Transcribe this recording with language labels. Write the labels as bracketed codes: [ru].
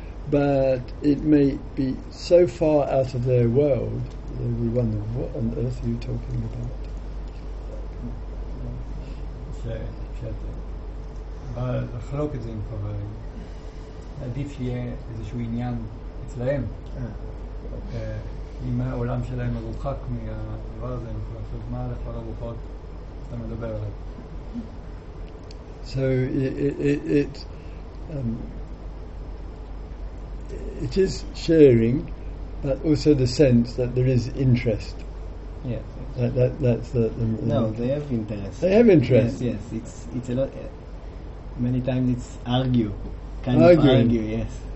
[en] But it may be so far out of their world, they would wonder, what on earth are you talking about? [he] אצלהם, אם העולם שלהם מרוחק מהדבר הזה, אנחנו נחשוב מה הלך לרוחות, אתה מדבר עליו. [en] So it is sharing, but also the sense that there is interest. Yes. They have interest. They have interest. Yes. It's a lot. Many times it's argue, yes.